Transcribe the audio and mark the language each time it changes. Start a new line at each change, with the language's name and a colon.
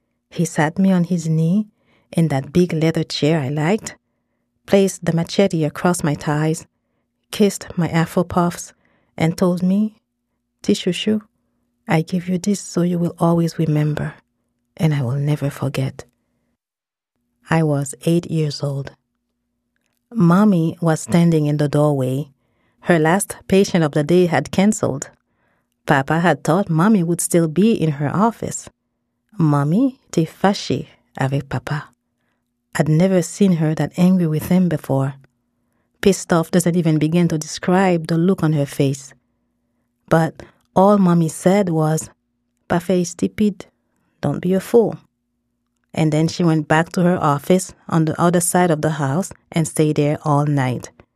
English: He sat me on his knee in that big leather chair I liked, placed the machete across my thighs, kissed my afro puffs, and told me, "Tishushu, I give you this so you will always remember, and I will never forget." I was 8 years old. Mommy was standing in the doorway. Her last patient of the day had canceled. Papa had thought Mommy would still be in her office.
Haitian Creole: Mommy te fâchée avec Papa.
English: I'd never seen her that angry with him before. Pissed off doesn't even begin to describe the look on her face. But all Mommy said was, "Papa is stupid. Don't be a fool." And then she went back to her office on the other side of the house and stayed there all night.